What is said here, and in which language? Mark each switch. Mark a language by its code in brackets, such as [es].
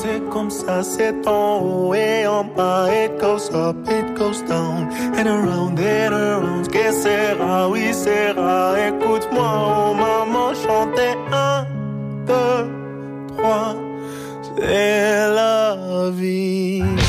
[fr] comme ça, c'est en haut et en bas. [en] It goes up, it goes down, and around and around. [fr] Que sera, oui, sera. Écoute-moi, oh maman, chante. Un, deux, trois, c'est la vie.